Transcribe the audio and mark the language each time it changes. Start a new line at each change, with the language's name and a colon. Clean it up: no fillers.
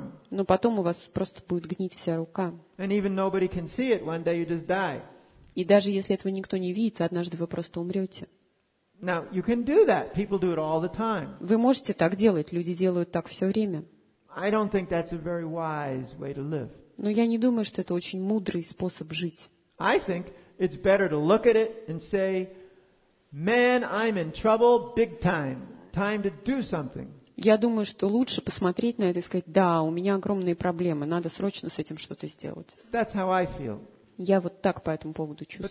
Russian: Но потом у вас просто будет гнить вся рука. И даже если этого никто не видит, однажды вы просто умрете.
English: Now you can do that. People do it all the time.
Russian: Вы можете так делать. Люди делают так все время.
English: I don't think that's a very wise way to live.
Russian: Но я не думаю, что это очень мудрый способ жить.
English: I think it's better to look at it and say, "Man, I'm in trouble big time. Time to do something."
Russian: Я думаю, что лучше посмотреть на это и сказать: "Да, у меня огромные проблемы. Надо срочно с этим что-то сделать."
English: That's how I feel.
Russian: Я вот так по этому поводу чувствую.